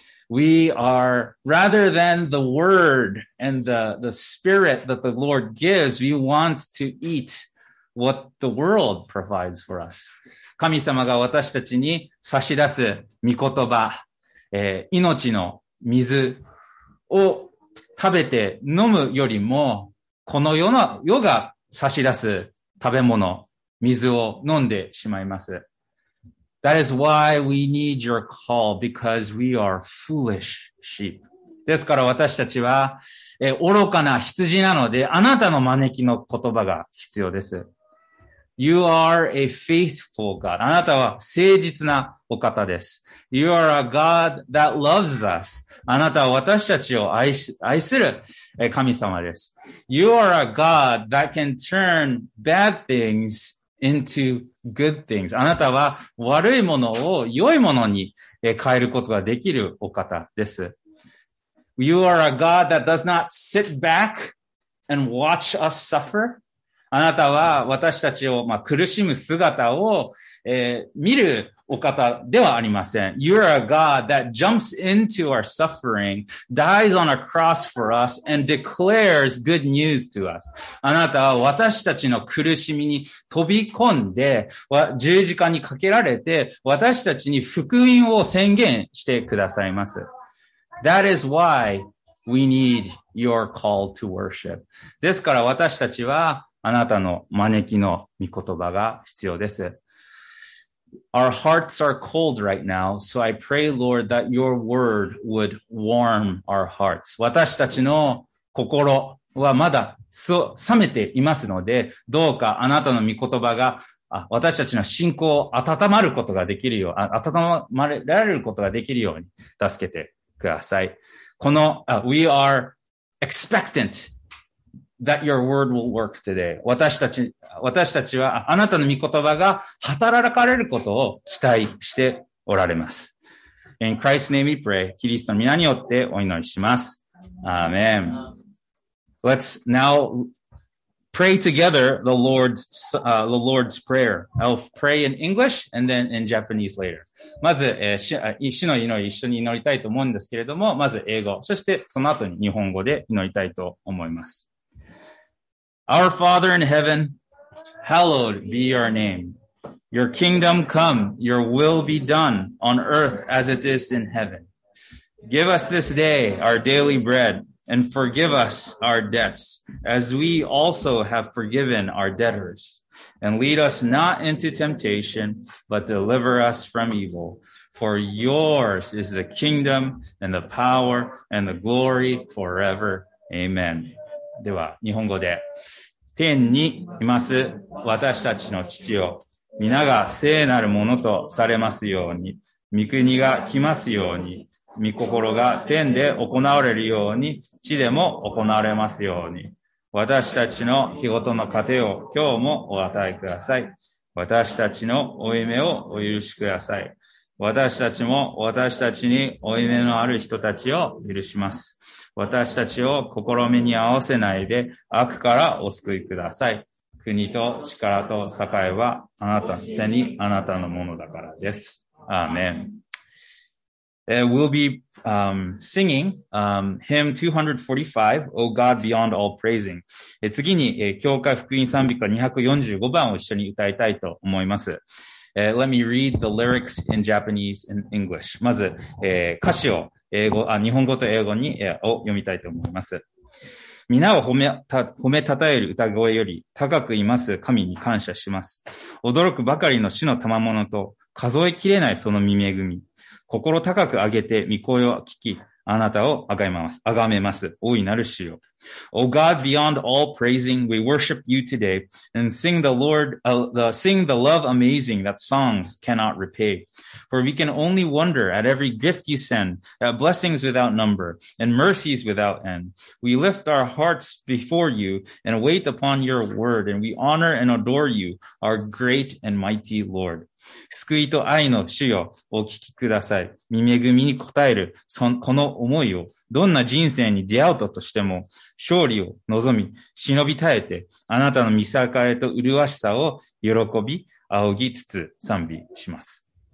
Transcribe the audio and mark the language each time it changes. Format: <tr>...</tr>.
<en>We are, rather than the word and the spirit that the Lord gives, we want to eat what the world provides for us.</en> <ja>神様が私たちに差し出す御言葉、命の水を食べて飲むよりも、この世が差し出す食べ物、水を飲んでしまいます。</ja> <en>That is why we need your call, because we are foolish sheep.</en> <ja>ですから私たちは、愚かな羊なので、あなたの招きの言葉が必要です。</ja> <en>You are a faithful God.</en> <ja>あなたは誠実なお方です。</ja> <en>You are a God that loves us.</en> <ja>あなたは私たちを愛する神様です。</ja> <en>You are a God that can turn bad things into good things.</en> <ja>あなたは悪いものを良いものに変えることができるお方です。</ja> <en>You are a God that does not sit back and watch us suffer.</en> <ja>あなたは私たちを苦しむ姿を見るお方ではありません。</ja> <en>You are a God that jumps into our suffering, dies on a cross for us, and declares good news to us.</en> <ja>あなたは私たちの苦しみに飛び込んで、十字架にかけられて、私たちに福音を宣言してくださいます。</ja> <en>That is why we need your call to worship.</en> <ja>ですから私たちはあなたの招きの御言葉が必要です。</ja> <en>Our hearts are cold right now, so I pray, Lord, that your word would warm our hearts.</en> <ja>私たちの心はまだ冷めていますので、どうかあなたの御言葉が私たちの信仰を温まることができるよう、温まられることができるように助けてください。</ja> <en>この、We are expectant that your word will work today.</en> <ja>私たちはあなたの御言葉が働かれることを期待しておられます。</ja> <en>In Christ's name we pray.</en> <ja>キリストの皆によってお祈りします。</ja> <en>アーメン。Let's now pray together the Lord's prayer. I'll pray in English and then in Japanese later.</en> <ja>まず、主の祈り一緒に祈りたいと思うんですけれども、まず英語、そしてその後に日本語で祈りたいと思います。</ja> <en>Our Father in heaven, hallowed be your name. Your kingdom come, your will be done on earth as it is in heaven. Give us this day our daily bread and forgive us our debts as we also have forgiven our debtors. And lead us not into temptation, but deliver us from evil. For yours is the kingdom and the power and the glory forever. Amen.</en> <ja>では、日本語で。天にいます私たちの父よ。皆が聖なるものとされますように、御国が来ますように、御心が天で行われるように、地でも行われますように。私たちの日ごとの糧を今日もお与えください。私たちの負い目をお許しください。私たちも私たちに負い目のある人たちを許します。私たちを試みに合わせないで悪からお救いください。国と力と栄えはあなたの手にあなたのものだからです。アーメン。</ja> <en>We'll be singing hymn 245, O God Beyond All Praising.</en> <ja>次に、教会福音賛美歌245番を一緒に歌いたいと思います。</ja> <en>Let me read the lyrics in Japanese and English.</en> <ja>まず、歌詞を英語、日本語と英語に、を読みたいと思います。皆を褒めたたえる歌声より高くいます神に感謝します。驚くばかりの主の賜物と数えきれないその御恵み。心高く上げて御声を聞き、あなたをあがめます。大いなる主よ。</ja> <en>O God beyond all praising, we worship you today and sing the Lord, sing the love amazing that songs cannot repay. For we can only wonder at every gift you send, at blessings without number and mercies without end. We lift our hearts before you and wait upon your word and we honor and adore you, our great and mighty Lord.</en> <ja>救いと愛の主よ、お聞きください。御恵みに応える、この思いを、どんな人生に出会うととしても、勝利を望み、忍び耐えて、あなたの御栄えと麗しさを喜び、仰ぎつつ賛美します。</ja>